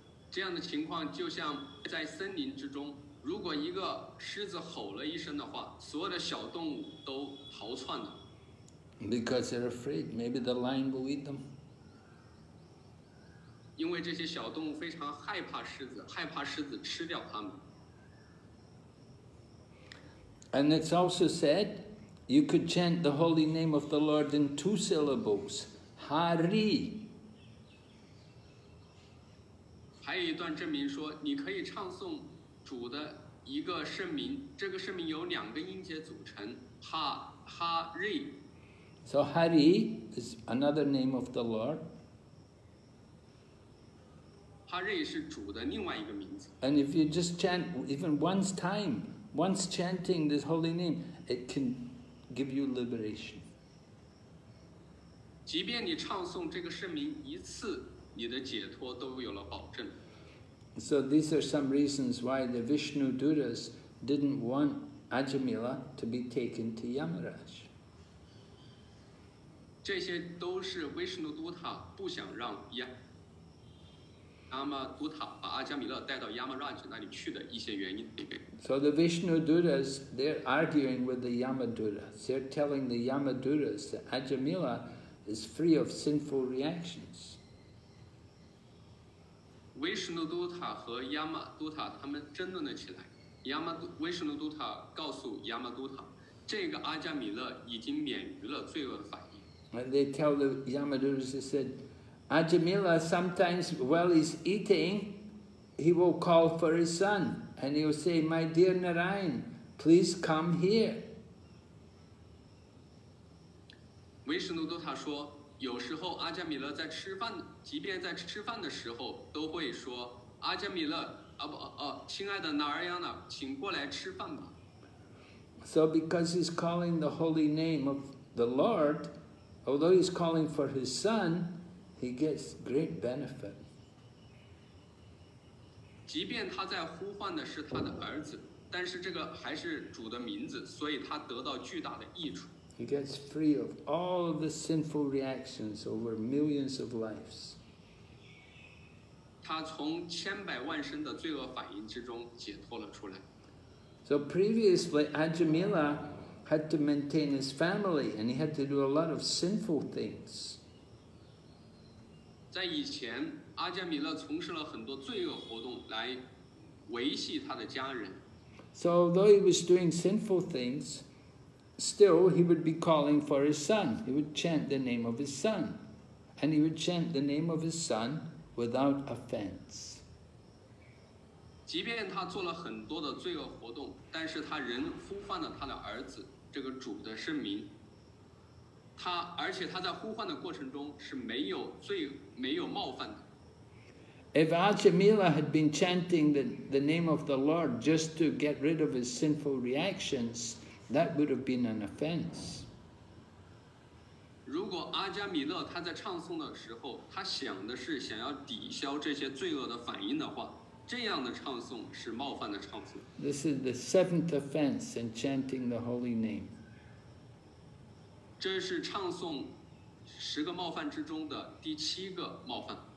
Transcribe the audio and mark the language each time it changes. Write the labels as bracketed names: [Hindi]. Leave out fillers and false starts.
[Chinese] 这样的情况就像在森林之中，如果一个狮子吼了一声的话，所有的小动物都逃窜了。 [English] Because they're afraid, maybe the lion will eat them. [Chinese] 因为这些小动物非常害怕狮子，害怕狮子吃掉它们。 [English] And it's also said, you could chant the holy name of the Lord in two syllables, Hari. [Chinese] 还有一段证明说，你可以唱诵主的一个圣名，这个圣名由两个音节组成，哈瑞。 [English] So Hari is another name of the Lord. Hari is [Chinese] 主的另外一个名字。 [English] And if you just chant even once time, once chanting this holy name, it can give you liberation. [Chinese] 即便你唱诵这个圣名一次，你的解脱都有了保证。 [English] So these are some reasons why the Vishnu Duras didn't want Ajamila to be taken to Yamaraj. [Chinese] 这些都是维什努都塔不想让亚马都塔把阿加米勒带到亚马拉吉那里去的一些原因。 [English] So the Vishnu Duras, they're arguing with the Yama Duras. They're telling the Yama Duras that Ajamila is free of sinful reactions. [Chinese] 维什努都塔和亚马都塔他们争论了起来。维什努都塔告诉亚马都塔，这个阿加米勒已经免于了罪恶的反应。 [English] And they tell the Yamaduras, they said, Ajamila sometimes, while he's eating, he will call for his son. And he will say, my dear Narayan, please come here. [Chinese] Vishnudutta 说，有时候阿加米勒在吃饭，即便在吃饭的时候，都会说，阿加米勒，亲爱的 Narayana, 请过来吃饭吧。 [English] So because he's calling the holy name of the Lord,Although he's calling for his son, he gets great benefit. [Chinese] 即便他在呼唤的是他的儿子，但是这个还是主的名字，所以他得到巨大的益处。 [English] He gets free of all of the sinful reactions over millions of lives. [Chinese] 他从千百万生的罪恶反应之中解脱了出来。 [English] So previously, Ajamila. Had to maintain his family, and he had to do a lot of sinful things. [Chinese] 在以前，阿加米勒从事了很多罪恶活动来维系他的家人。 [English] So although he was doing sinful things, still he would be calling for his son. He would chant the name of his son, and he would chant the name of his son without offense. [Chinese] 即便他做了很多的罪恶活动，但是他仍呼唤了他的儿子这个主的圣名。他而且他在呼唤的过程中是没有冒犯的。 [English] If Ajamila had been chanting the name of the Lord just to get rid of his sinful reactions, that would have been an offense. [Chinese] 如果阿加米勒他在唱诵的时候，他想的是想要抵消这些罪恶的反应的话。这样的唱诵是冒犯的唱诵。 [English] This is the seventh offense in chanting the holy name. [Chinese] 这是唱诵十个冒犯之中的第七个冒犯。